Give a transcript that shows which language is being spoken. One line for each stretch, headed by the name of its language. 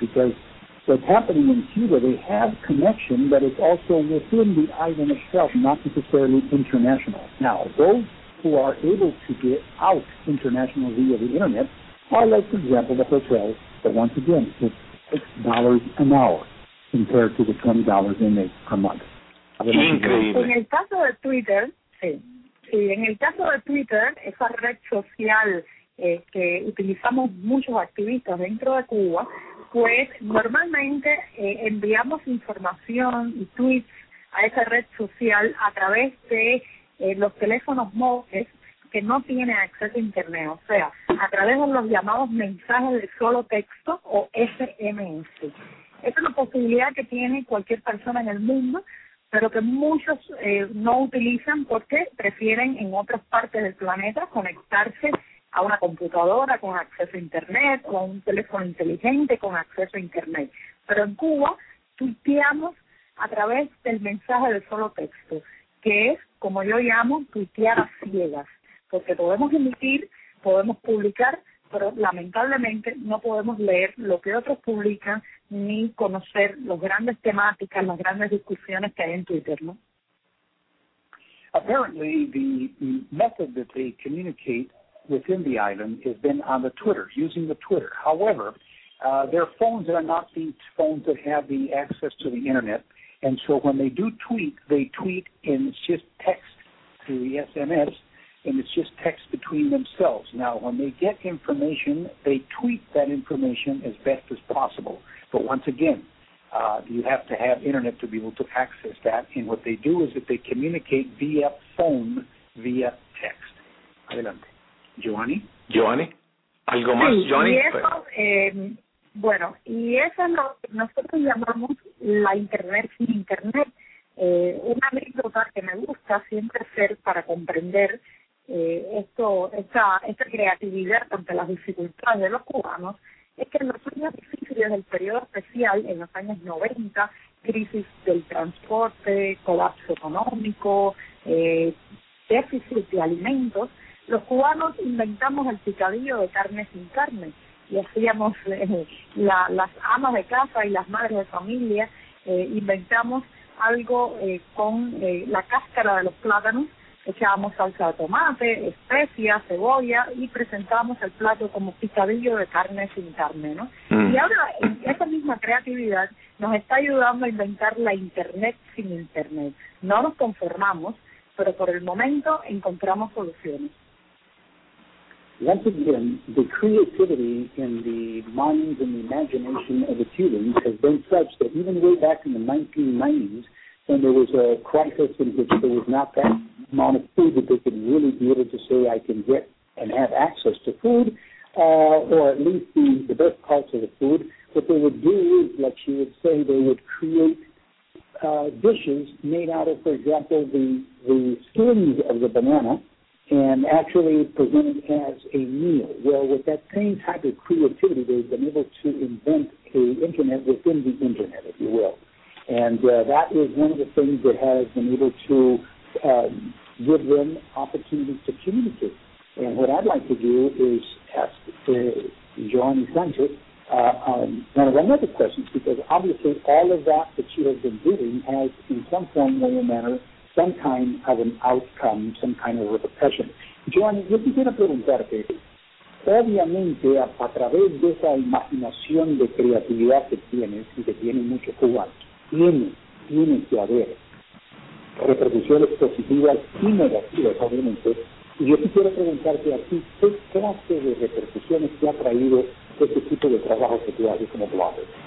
English: Because what's happening in Cuba, they have connection, but it's also within the island itself, not necessarily international. Now, those who are able to get out international via the Internet are like, for example, the hotel, but once again, it's $6 an hour compared to the $20 they make per month.
Spanish: En el caso de Twitter, sí. En el caso de Twitter, esa red social que utilizamos muchos activistas dentro de Cuba, pues normalmente enviamos información y tweets a esa red social a través de los teléfonos móviles que no tiene acceso a Internet, o sea, a través de los llamados mensajes de solo texto o SMS. Esa es una posibilidad que tiene cualquier persona en el mundo, pero que muchos no utilizan porque prefieren en otras partes del planeta conectarse a una computadora con acceso a Internet o a un teléfono inteligente con acceso a Internet. Pero en Cuba tuiteamos a través del mensaje de solo texto, que es, como yo llamo, tuitear a ciegas. Porque podemos emitir, podemos publicar, pero lamentablemente no podemos leer lo que otros publican ni conocer las grandes temáticas, las grandes discusiones que hay en Twitter, ¿no?
English: Apparently, the method that they communicate within the island has been on the Twitter, using the Twitter. However, their phones are not the phones that have the access to the Internet, and so when they do tweet, they tweet in just text to the SMS, and it's just text between themselves. Now, when they get information, they tweet that information as best as possible. But once again, you have to have Internet to be able to access that. And what they do is that they communicate via phone, via text.
Spanish: Adelante. Giovanni? Giovanni? Algo más, Giovanni? Sí, y eso, bueno, y eso es lo que nosotros llamamos la Internet sin Internet. Una anécdota que me gusta siempre hacer para comprender esta creatividad ante las dificultades de los cubanos es que en los años difíciles del periodo especial, en los años 90, crisis del transporte, colapso económico, déficit de alimentos, los cubanos inventamos el picadillo de carne sin carne, y hacíamos las amas de casa y las madres de familia, inventamos algo con la cáscara de los plátanos, echábamos salsa de tomate, especias, cebolla y presentábamos el plato como picadillo de carne sin carne, ¿no? Y ahora esa misma creatividad nos está ayudando a inventar la internet sin internet. No nos conformamos, pero por el momento encontramos soluciones.
English: Once again, the creativity in the minds and the imagination of the Cubans has been such that even way back in the 1990s, when there was a crisis in which there was not that amount of food that they could really be able to say, I can get and have access to food, or at least the best parts of the food, what they would do is, like she would say, they would create dishes made out of, for example, the skins of the banana, and actually present it as a meal. Well, with that same type of creativity, they've been able to invent an internet within the internet, if you will. And that is one of the things that has been able to give them opportunities to communicate. And what I'd like to do is ask Joanny Sanchez one of another questions, because obviously all of that that you have been doing has in some form, way, or manner, some kind of an outcome, some kind of repercussion.
Spanish: Joanny, yo quisiera preguntarte, obviamente a través de esa imaginación de creatividad que tienes y que tiene mucho cubano, tiene que haber repercusiones positivas y negativas, obviamente. Y yo quisiera preguntarte a ti, ¿qué clase de repercusiones te ha traído este tipo de trabajo que tú haces como blogger?